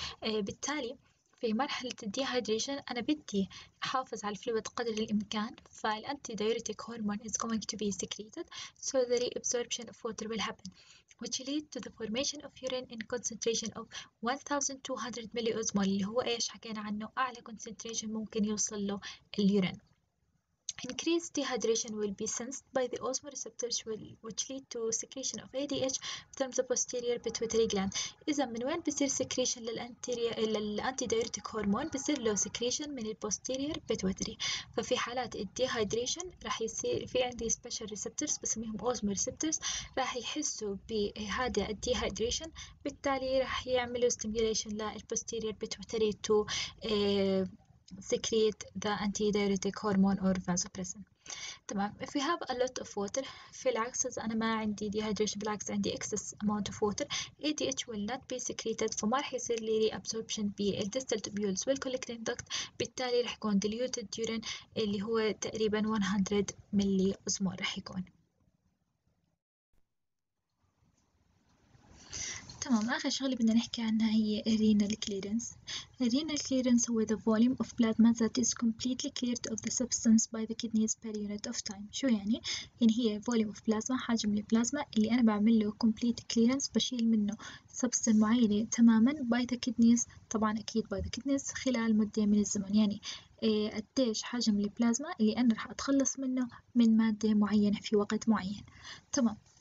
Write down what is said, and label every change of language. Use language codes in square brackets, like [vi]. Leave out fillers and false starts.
[ar] بالتالي في مرحلة الديهايدريشن أنا بدي أحافظ على الفلويد قدر الإمكان، فالأنتيديوريتيك هرمون [en] is going to be secreted so the reabsorption of water will happen which lead to the formation of urine in concentration of 1200 [ar] ملي أوزمول، اللي هو إيش حكينا عنه، أعلى concentration ممكن يوصل له اليورين. [en] Increased dehydration will be sensed by the osmoreceptors which lead to secretion of ADH from the posterior pituitary gland. [ar] إذا من وين بصير secretion للأنتيديوريتيك هرمون؟ بصير له secretion من posterior pituitary. ففي حالات dehydration رح يصير في عندي special receptors بسميهم osmoreceptors رح يحسوا بهذا dehydration، بالتالي رح يعملوا stimulation posterior pituitary [en] to secrete the antidiuretic hormone or vasopressin. [ar] تمام. [en] If we have a lot of water، [ar] في العكس إذا أنا ما عندي dehydration بالعكس عندي excess amount of water، [en] ADH will not be secreted [ar] فما رح يصير لي reabsorption بال distal tubules will collecting duct، بالتالي رح يكون diluted urine اللي هو تقريبا 100 ملي أوزمول رح يكون. تمام. آخر شغلة بدنا نحكي عنها هي renal clearance. [en] Renal clearance هو the volume of plasma that is completely cleared of the substance by the kidneys per unit of time. [ar] شو يعني؟ يعني هي [en] volume of plasma، [ar] حجم البلازما اللي أنا بعمل له complete clearance، بشيل منه substance معينة تماما by the kidneys، طبعا أكيد by the kidneys، خلال مدة من الزمن. يعني قديش حجم البلازما اللي أنا رح أتخلص منه من مادة معينة في وقت معين. تمام.